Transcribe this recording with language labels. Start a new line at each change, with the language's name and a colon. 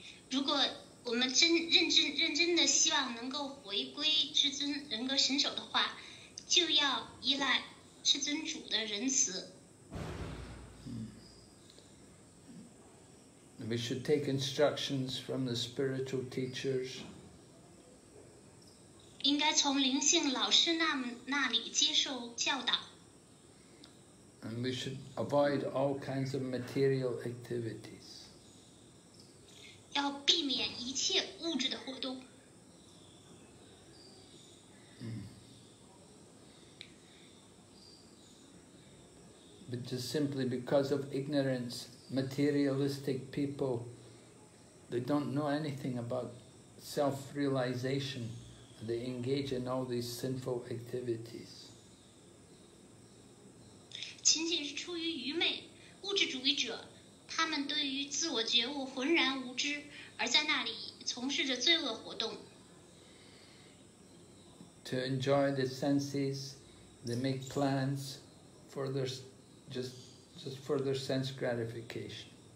Chinese: 如果我们认真的希望能够回归至尊人格神手的话。
English: We should take instructions from the spiritual teachers.
Chinese: 应该从灵性老师那里接受教导。
English: And we should avoid all kinds of material activities.
Chinese: 要避免一切物质的活动。
English: But just simply because of ignorance, materialistic people, they don't know anything about self-realization. They engage in all these sinful activities.
Chinese: 仅仅是出于愚昧，物质主义者，他们对于自我觉悟浑然无知，而在那里从事着罪恶活动。
English: To enjoy the senses, they make plans for their just for their sense gratification.